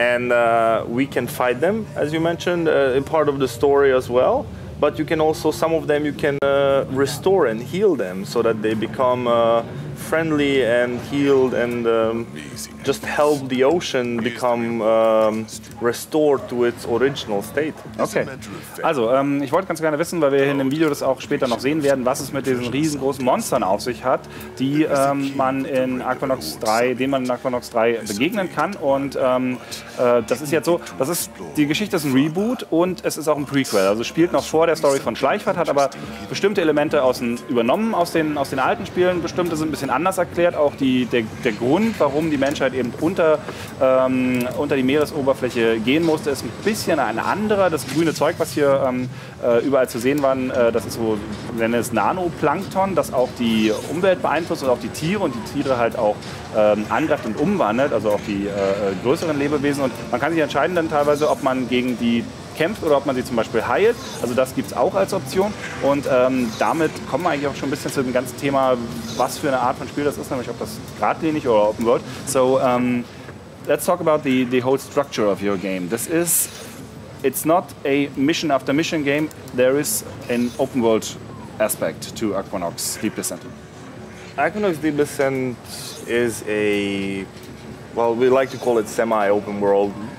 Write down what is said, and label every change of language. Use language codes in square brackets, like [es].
[en] And we can fight them, as you mentioned, in part of the story as well. But you can also, some of them, you can restore and heal them so that they become friendly and healed and just help the ocean become restored to its original state. Okay. [de] Also, ich wollte ganz gerne wissen, weil wir in dem Video das auch später noch sehen werden, was es mit diesen riesengroßen Monstern auf sich hat, die man in Aquanox 3, denen man in Aquanox 3 begegnen kann. Und das ist jetzt so, das ist, die Geschichte ist ein Reboot und es ist auch ein Prequel. Also spielt noch vor der Story von Schleichfahrt, hat aber bestimmte Elemente übernommen aus den alten Spielen. Bestimmte sind ein bisschen anders erklärt, auch der Grund, warum die Menschheit eben unter die Meeresoberfläche gehen musste, ist ein bisschen ein anderer. Das grüne Zeug, was hier überall zu sehen war, das ist so, nennen es Nanoplankton, das auch die Umwelt beeinflusst und auch die Tiere halt auch angreift und umwandelt, also auch die größeren Lebewesen. Und man kann sich entscheiden dann teilweise, ob man gegen die kämpft oder ob man sie zum Beispiel heilt. Also das gibt es auch als Option. Und damit kommen wir eigentlich auch schon ein bisschen zu dem ganzen Thema, was für eine Art von Spiel das ist, nämlich ob das geradlinig oder Open World. [en] So, let's talk about the whole structure of your game. This is, it's not a mission after mission game. There is an Open World aspect to Aquanox Deep Descent. Aquanox Deep Descent is a, well, we like to call it semi-open world.